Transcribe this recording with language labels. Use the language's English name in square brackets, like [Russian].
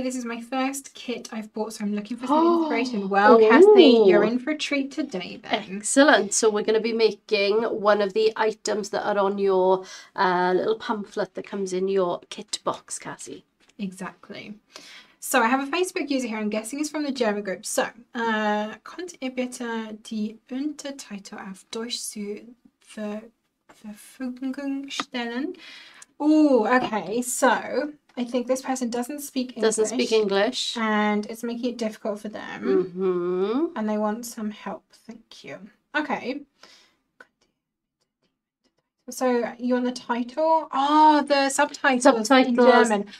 [English] This is my first kit I've bought, so I'm looking for some inspiration. Well, Cassie, you're in for a treat today then. Excellent. So we're going to be making one of the items that are on your little pamphlet that comes in your kit box, Cassie. Exactly. So I have a Facebook user here, I'm guessing it's from the German group. [German] So, könnt ihr bitte die Untertitel auf Deutsch zur Verfügung stellen? [English] Oh, okay, so I think this person doesn't speak English. Doesn't speak English. And it's making it difficult for them. Mm-hmm. And they want some help, thank you. Okay. So you're on the title? Oh, the subtitles in German.